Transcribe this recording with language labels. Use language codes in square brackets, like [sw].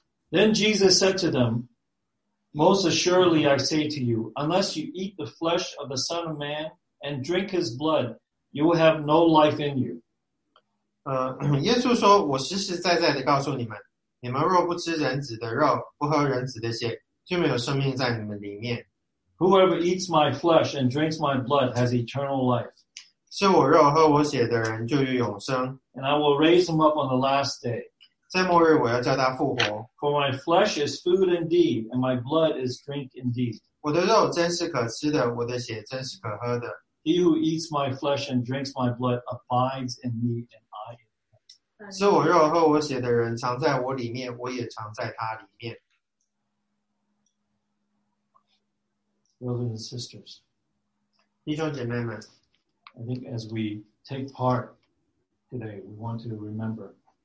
[en] Then Jesus said to them, Most assuredly I say to you, unless you eat the flesh of the Son of Man and drink his blood, you will have no life in you. [zh] 耶稣说，我实实在在的告诉你们，你们若不吃人子的肉，不喝人子的血，就没有生命在你们里面。 [en] Whoever eats my flesh and drinks my blood has eternal life. [zh] 吃我肉喝我血的人就有永生。 [en] And I will raise him up on the last day. [zh] 在末日我要叫他复活。 [en] For my flesh is food indeed, and my blood is drink indeed. [zh] 我的肉真是可吃的，我的血真是可喝的。 [en] He who eats my flesh and drinks my blood abides in me and I in him. [zh] 吃我肉喝我血的人常在我里面，我也常在他里面。 [en] Brothers and sisters, [zh] 弟兄姐妹们, [en] I think as we take part today, we want to remember.